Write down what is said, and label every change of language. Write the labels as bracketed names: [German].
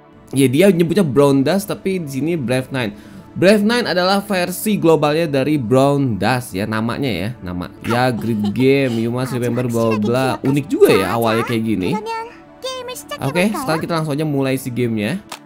[Indonesian] Ya, dia nyebutnya Brown Dust, tapi di sini Brave Nine. Brave Nine adalah versi globalnya dari Brown Dust ya, namanya ya, nama. [English] Ya, great game, you must remember blah blah. [Indonesian] Unik juga ya awalnya kayak gini. Oke, sekarang kita langsung aja mulai si game-nya.